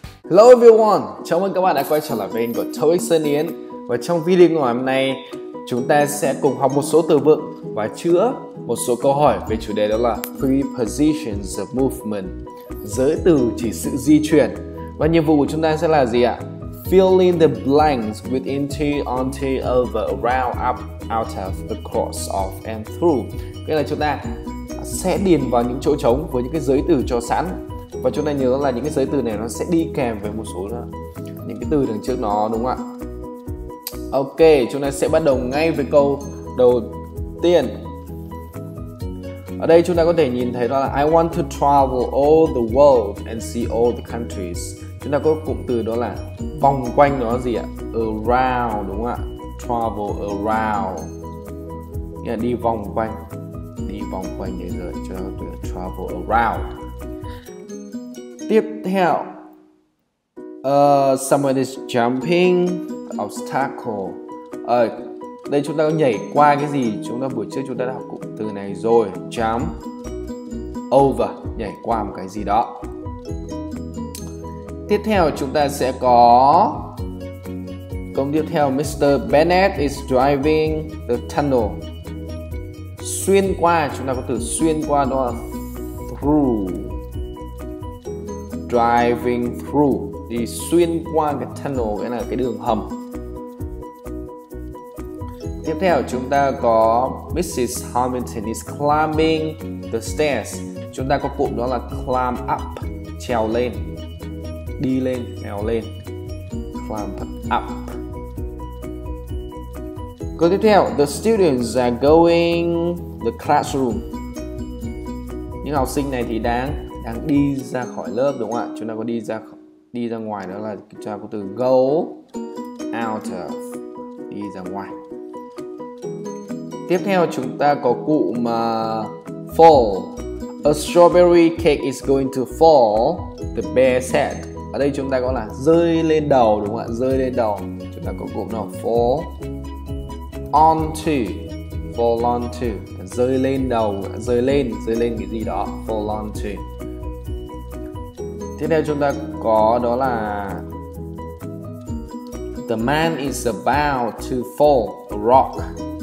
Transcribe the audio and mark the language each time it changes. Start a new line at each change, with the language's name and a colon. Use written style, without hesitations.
English: Hello everyone,
Vietnamese: chào mừng các bạn đã quay trở lại kênh của TOEIC Sơn Yến. Và trong video ngày hôm nay, chúng ta sẽ cùng học một số từ vựng và chữa một số câu hỏi về chủ đề đó là
English: prepositions of movement,
Vietnamese: giới từ chỉ sự di chuyển. Và nhiệm vụ của chúng ta sẽ là gì ạ?
English: Fill in the blanks with into, onto, over, around, up, out of, across, off, and through.
Vietnamese: Nghĩa là chúng ta sẽ điền vào những chỗ trống với những cái giới từ cho sẵn. Và chúng ta nhớ là những cái giới từ này nó sẽ đi kèm với một số đó, những cái từ đằng trước nó, đúng không ạ? Ok, chúng ta sẽ bắt đầu ngay với câu đầu tiên. Ở đây chúng ta có thể nhìn thấy đó là
English: I want to travel all the world and see all the countries.
Vietnamese: Chúng ta có cụm từ đó là vòng quanh nó gì ạ? Around, đúng không ạ?
English: Travel around,
Vietnamese: nghĩa là đi vòng quanh. Đi vòng quanh thế giới, cho nên từ
English: travel around.
Vietnamese: Tiếp theo,
English: someone is jumping obstacle.
Vietnamese: Đây chúng ta có nhảy qua cái gì? Chúng ta buổi trước chúng ta đã học cụm từ này rồi,
English: jump over,
Vietnamese: nhảy qua một cái gì đó. Tiếp theo chúng ta sẽ có câu tiếp theo, Mr.
English: Bennett is driving the tunnel.
Vietnamese: Xuyên qua, chúng ta có từ xuyên qua đó là through.
English: Driving through,
Vietnamese: đi xuyên qua cái tunnel, cái là cái đường hầm. Tiếp theo chúng ta có Mrs.
English: Hamilton is climbing the stairs.
Vietnamese: Chúng ta có cụm đó là
English: climb up,
Vietnamese: trèo lên, đi lên, trèo lên, climb up. Câu tiếp theo,
English: the students are going the classroom.
Vietnamese: Những học sinh này thì đang đi ra khỏi lớp, đúng không ạ? Chúng ta có đi ra ngoài, đó là chúng ta có từ
English: go out of,
Vietnamese: đi ra ngoài. Tiếp theo chúng ta có cụm fall.
English: A strawberry cake is going to fall, the bear said.
Vietnamese: Ở đây chúng ta có là rơi lên đầu, đúng không ạ? Rơi lên đầu. Chúng ta có cụm nào
English: fall onto,
Vietnamese: fall onto, rơi lên đầu, rơi lên cái gì đó, fall onto. Tiếp theo chúng ta có đó là
English: the man is about to fall a rock.